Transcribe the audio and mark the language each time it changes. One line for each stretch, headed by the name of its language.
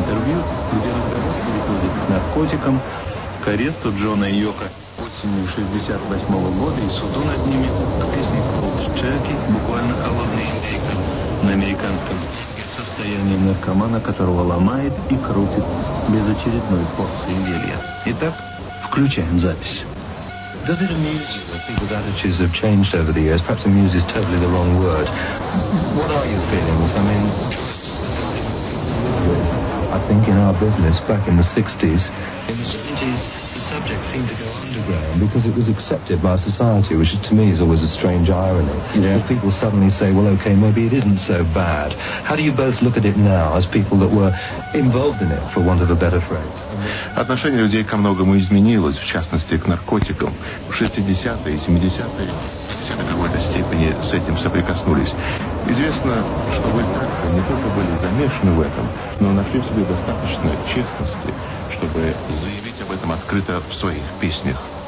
Russian: Интервью, где разговор переходит к наркотикам, к аресту Джона и Йоко осенью 68 года и суду над ними, а песни «Cold Turkey», буквально «Холодный индейка» на американском, состоянием наркомана, которого ломает и крутит без очередной порции зелья. Итак, включаем запись.
English: Does it amuse you? I think that attitudes have changed over the years. Perhaps amuse is totally the wrong word. What are your feelings? I mean, yes. I think in our business, back in the 60s, in the 70s, the subject seemed to go underground because it was accepted by society, which to me is always a strange irony. Yeah. People suddenly say, well, okay, maybe it isn't so bad. How do you both look at it now as people that were involved in it, for want of a better phrase?
Russian: Отношение людей ко многому изменилось, в частности, к наркотикам. В 60-е и 70-е в какой-то степени с этим соприкоснулись. Известно, что вы не только были замешаны в этом, но нашли в себе достаточно честности, чтобы заявить об этом открыто в своих песнях.